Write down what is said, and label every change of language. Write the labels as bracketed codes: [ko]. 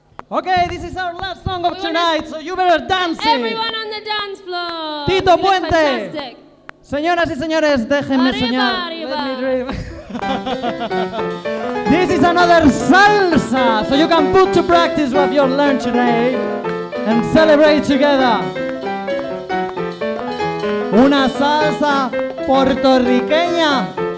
[en] Okay, this is our last song of tonight, so you better dance it. Everyone on the dance floor. Tito Puente. Fantastic. [es] Señoras y señores, déjenme soñar. Arriba. [en] Let me dream. This is another salsa, so you can put to practice what you learned today and celebrate together. [es] Una salsa puertorriqueña.